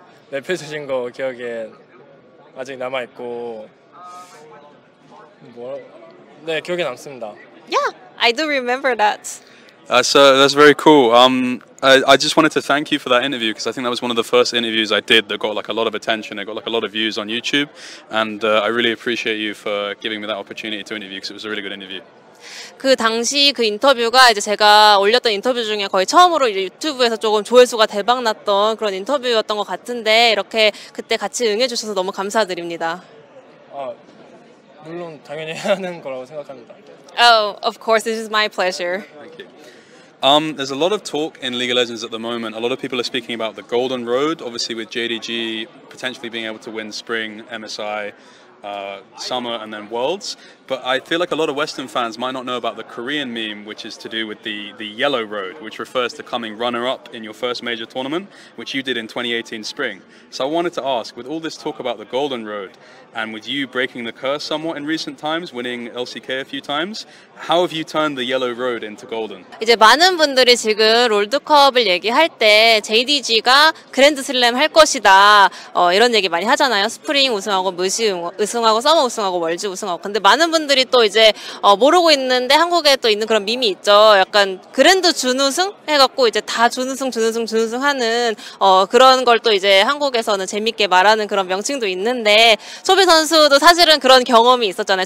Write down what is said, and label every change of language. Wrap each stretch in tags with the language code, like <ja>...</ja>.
<ko>랩해 주신 거 기억에 아직 남아 있고 뭐 네 기억에 남습니다.</ko> <en>Yeah, I do remember that. So that's very cool. I just wanted to thank you for that interview because I think that was one of the first interviews I did that got like a lot of attention. It got like a lot of views on YouTube, and I really appreciate you for giving me that opportunity to interview because it was a really good interview.</en> <ko>그 당시 그 인터뷰가 이제 제가 올렸던 인터뷰 중에 거의 처음으로 이제 유튜브에서 조금 조회수가 대박 났던 그런 인터뷰였던 것 같은데 이렇게 그때 같이 응해 주셔서 너무 감사드립니다. 아 물론 당연히 해야 하는 거라고 생각합니다.</ko> <en>Oh, of course, this is my pleasure. Thank you. There's a lot of talk in League of Legends at the moment. A lot of people are speaking about the Golden Road, obviously with JDG potentially being able to win Spring, MSI, Summer, and then Worlds. But I feel like a lot of Western fans might not know about the Korean meme, which is to do with the Yellow Road, which refers to coming runner-up in your first major tournament, which you did in 2018 Spring. So I wanted to ask, with all this talk about the Golden Road, and with you breaking the curse somewhat in recent times, winning LCK a few times, how have you turned the Yellow Road into Golden?</en> <ko>이제 많은 분들이 지금 롤드컵을 얘기할 때 JDG가 그랜드슬램 할 것이다 이런 얘기 많이 하잖아요. 스프링 우승하고 무시 우승하고 서머 우승하고 월즈 우승하고 근데 많은 분들이 또 이제 모르고 있는데 한국에 또 있는 그런 밈이 있죠. 약간 그랜드 준우승 해갖고 이제 다 준우승 하는 그런 걸 또 이제 한국에서는 재밌게 말하는 그런 명칭도 있는데 초비 선수도 사실은 그런 경험이 있었잖아요.</ko>